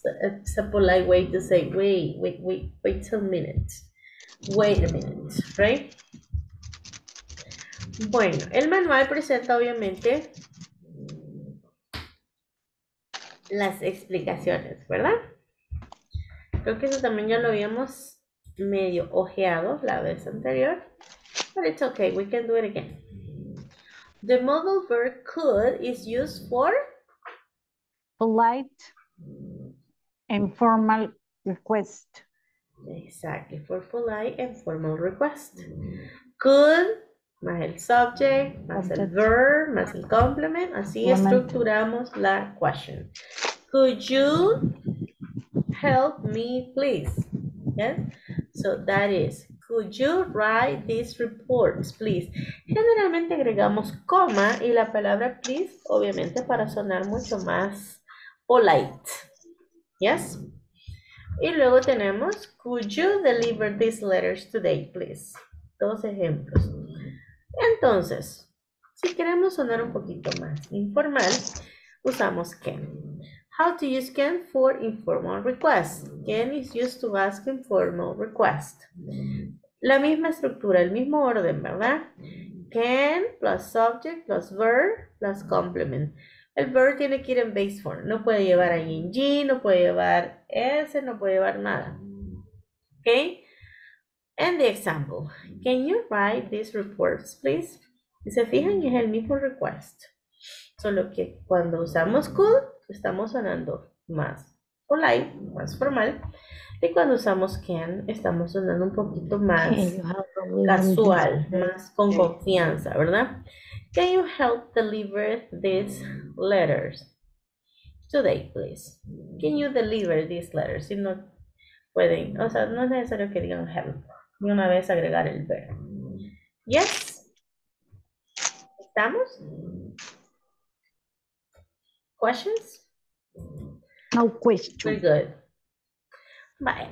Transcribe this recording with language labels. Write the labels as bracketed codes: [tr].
[en] It's a polite way to say, wait a minute. Wait a minute, right? [es] Bueno, el manual presenta obviamente las explicaciones, ¿verdad? Creo que eso también ya lo habíamos medio ojeado la vez anterior. [en] But it's okay, we can do it again. The modal verb could is used for polite and formal request. Exactly, for polite and formal request. Could [es] más el subject, más el verb, más el complement. Así estructuramos la question. [en] Could you help me, please? Yes? So that is, could you write these reports, please? [es] Generalmente agregamos coma y la palabra please, obviamente, para sonar mucho más polite. [en] Yes? [es] Y luego tenemos, [en] could you deliver these letters today, please? [es] Dos ejemplos. Entonces, si queremos sonar un poquito más informal, usamos can. [en] How to use can for informal requests. Can is used to ask informal request. [es] La misma estructura, el mismo orden, ¿verdad? [en] Can plus subject plus verb plus complement. [es] El verb tiene que ir en base form. No puede llevar ing, no puede llevar s, no puede llevar nada. ¿Ok? [en] And the example, can you write these reports, please? [es] Y se fijan, es el mismo request. Solo que cuando usamos could, estamos sonando más polite, más formal. Y cuando usamos can, estamos sonando un poquito más casual, más con confianza, ¿verdad? [en] Can you help deliver these letters today, please? Can you deliver these letters? [es] Si no, pueden, o sea, no es necesario que digan help, ni una vez agregar el verbo. Yes. ¿Estamos? [en] Questions? No question. Very good. Bye.